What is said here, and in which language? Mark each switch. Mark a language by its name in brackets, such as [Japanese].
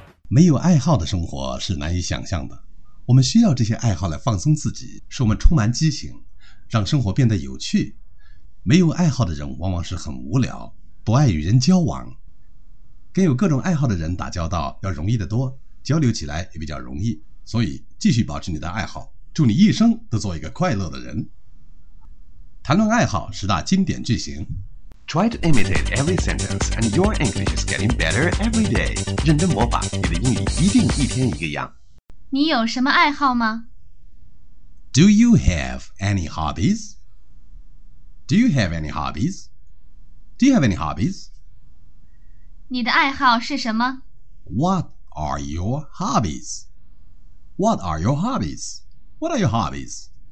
[Chinese] 没有爱好的生活是难以想象的。我们需要这些爱好来放松自己，使我们充满激情，让生活变得有趣。没有爱好的人往往是很无聊，不爱与人交往。跟有各种爱好的人打交道要容易得多，交流起来也比较容易。所以继续保持你的爱好，祝你一生都做一个快乐的人。谈论爱好十大经典句型。 [English] Try to imitate every sentence and your English is getting better every day. [Chinese] 认真模仿，你的英语一定一天一个样。你有什么爱好吗？ [English] Do you have any hobbies? Do you have any hobbies? Do you have any hobbies? [Chinese] 你的爱好是什么？ [English] What are your hobbies? What are your hobbies? What are your hobbies?